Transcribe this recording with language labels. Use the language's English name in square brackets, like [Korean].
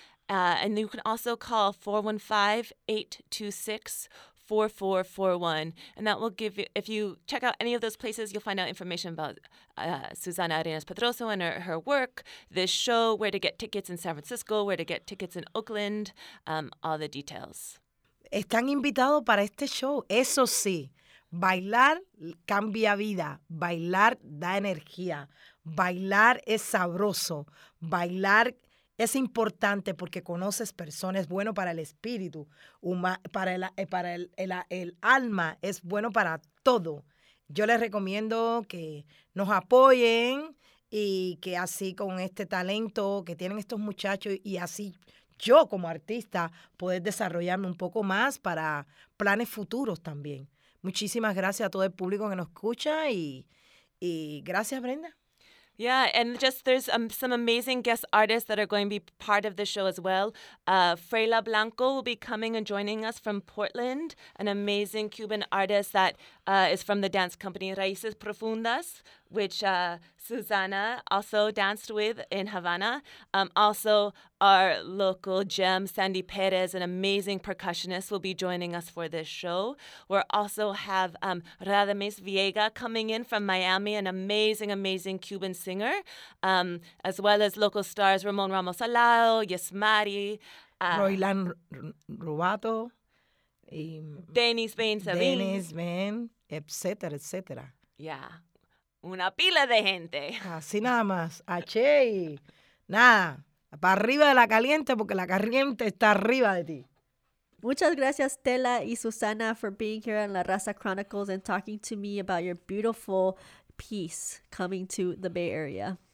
[English] And you can also call 415-826-4441. And that will give you, if you check out any of those places, you'll find out information about Susana Arenas-Pedroso and her work, this show, where to get tickets in San Francisco, where to get tickets in Oakland, all the details. [Spanish] Están invitados para este show. Eso sí, bailar cambia vida, bailar da energía, bailar es sabroso, bailar es importante porque conoces personas, es bueno para el espíritu, para el alma, es bueno para todo. Yo les recomiendo que nos apoyen y que así con este talento que tienen estos muchachos y así yo como artista poder desarrollarme un poco más para planes futuros también. Muchísimas gracias a todo el público que nos escucha y gracias, Brenda. [English] Yeah, and just there's some amazing guest artists that are going to be part of the show as well. Freyla Blanco will be coming and joining us from Portland, an amazing Cuban artist that is from the dance company Raíces Profundas, which Susana also danced with in Havana. Also, our local gem, Sandy Perez, an amazing percussionist, will be joining us for this show. We'll also have Radames Viega coming in from Miami, an amazing, amazing Cuban singer, as well as local stars Ramon Ramos Alao, Yesmari. Roilán Rubato. Denis Bain Sabin. Denis Bain, et cetera, et cetera. [Spanish] Yeah. Una pila de gente. Así nada más. H. Nada. Para arriba de la caliente, porque la caliente está arriba de ti. Muchas gracias, [English] Tela y Susana, for being here on La Raza Chronicles and talking to me about your beautiful piece coming to the Bay Area.